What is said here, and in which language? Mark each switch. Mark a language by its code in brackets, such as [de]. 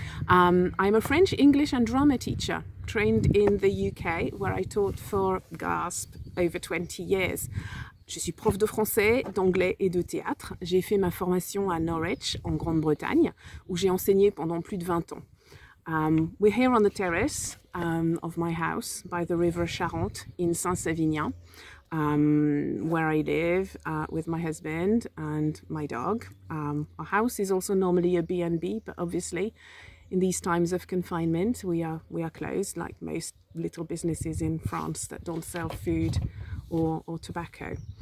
[en] I'm a French, English and drama teacher trained in the UK where I taught for, gasp, over 20 years. [fr] Je suis prof de français, d'anglais et de théâtre. J'ai fait ma formation à Norwich en Grande-Bretagne où j'ai enseigné pendant plus de 20 ans. [en] We're here on the terrace of my house by the river Charente in Saint-Savinien. Where I live with my husband and my dog. Our house is also normally a B&B, but obviously in these times of confinement, we are closed like most little businesses in France that don't sell food or tobacco.